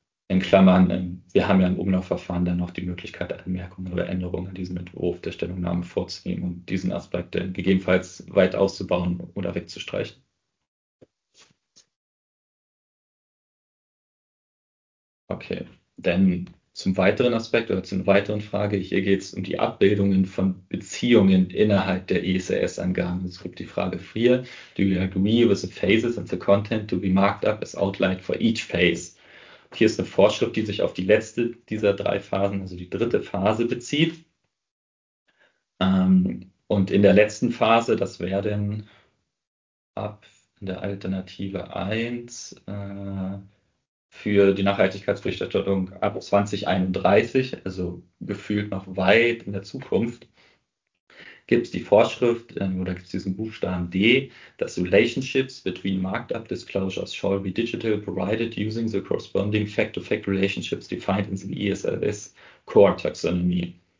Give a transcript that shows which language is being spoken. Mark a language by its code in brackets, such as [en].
[de] In Klammern, wir haben ja im Umlaufverfahren dann noch die Möglichkeit, Anmerkungen oder Änderungen an diesem Entwurf der Stellungnahme vorzunehmen und diesen Aspekt dann gegebenenfalls weit auszubauen oder wegzustreichen. Okay, dann zum weiteren Aspekt oder zur weiteren Frage. Hier geht es um die Abbildungen von Beziehungen innerhalb der ESRS-Angaben. Es gibt die Frage 4. [en] Do you agree with the phases and the content to be marked up as outlined for each phase? [de] Hier ist eine Vorschrift, die sich auf die letzte dieser drei Phasen, also die dritte Phase, bezieht. Und in der letzten Phase, das wäre dann ab in der Alternative 1, für die Nachhaltigkeitsberichterstattung ab 2031, also gefühlt noch weit in der Zukunft, gibt es die Vorschrift oder gibt es diesen Buchstaben D, dass [en] Relationships between Markup Disclosures shall be digital provided using the corresponding fact-to-fact relationships defined in the ESRS Core Taxonomy.